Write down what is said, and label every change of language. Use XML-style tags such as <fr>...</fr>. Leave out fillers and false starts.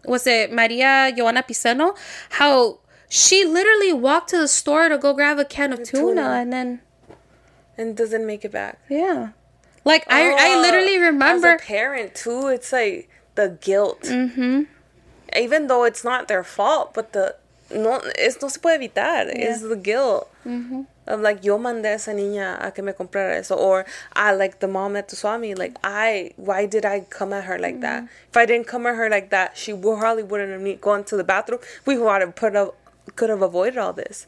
<en>was it Maria Joana Piceno? How she literally walked to the store to go grab a can of tuna and then... And doesn't make it back. Yeah. Like, I literally remember... As a parent, too, it's, like, the guilt. Mm-hmm. Even though it's not their fault, but the...</en> <es>No se puede evitar.</es> <en>Yeah. It's the guilt. Mm-hmm. Of, like,</en> <es>yo mandé a esa niña a que me comprara eso.</es> <en>Or, like, the mom at the swami, like, why did I come at her like that? If I didn't come at her like that, she probably wouldn't have gone to the bathroom. We could have avoided all this.</en>